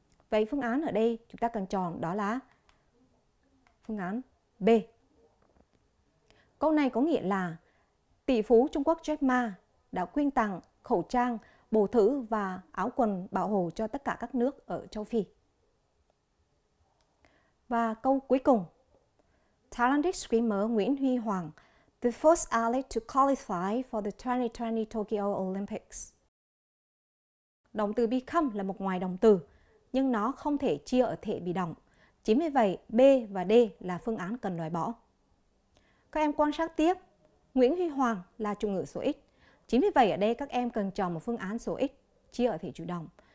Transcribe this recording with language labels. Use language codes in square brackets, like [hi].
[vi] Vậy phương án ở đây chúng ta cần chọn đó là phương án B. Câu này có nghĩa là tỷ phú Trung Quốc Jack Ma đã quyên tặng khẩu trang, bộ thử và áo quần bảo hộ cho tất cả các nước ở châu Phi. Và câu cuối cùng. [en] Talented swimmer Nguyễn Huy Hoàng, the first athlete to qualify for the 2020 Tokyo Olympics. [vi] Động từ become là một ngoài động từ, nhưng nó không thể chia ở thể bị động. Chính vì vậy, B và D là phương án cần loại bỏ. Các em quan sát tiếp. Nguyễn Huy Hoàng là chủ ngữ số ít. Chính vì vậy ở đây các em cần chọn một phương án số ít chia ở thể chủ động.